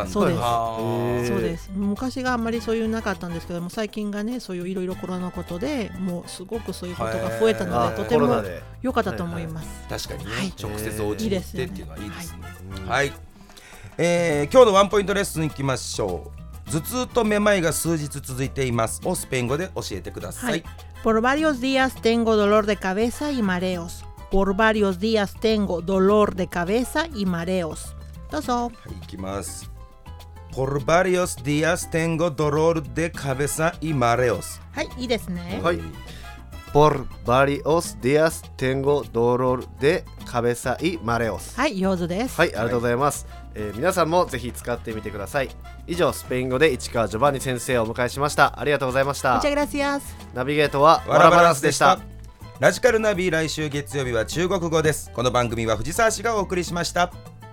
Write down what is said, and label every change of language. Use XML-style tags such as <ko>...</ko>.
<ja>そうです、そうです。昔があんまりそういうなかったんですけども、最近がね、そういういろいろコロナのことでもうすごくそういうことが増えたので、とても良かったと思います。は確かにね、直接お家に行ってっていうのはいいですね。いいですね。はい、はい。今日のワンポイントレッスンいきましょう。頭痛とめまいが数日続いていますをスペイン語で教えてください。はい。</ja> <es>Por varios días tengo dolor de cabeza y mareos. Por varios días tengo dolor de cabeza y mareos.</es> <ja>どうぞ。はい、行きます。</ja> <es>Por varios días tengo dolor de cabeza y mareos.</es> <ja>はい、いいですね。はい。</ja> <es>Por varios días tengo dolor de cabeza y mareos.</es> <ja>はい、上手です。はい、ありがとうございます。はい、皆さんもぜひ使ってみてください。以上、スペイン語で市川ジョバンニ先生をお迎えしました。ありがとうございました。</ja> <es>Muchas gracias.</es> <ja>ナビゲートはワラバランスでした。ラジカルナビ、来週月曜日は中国語です。この番組は藤沢氏がお送りしました。</ja>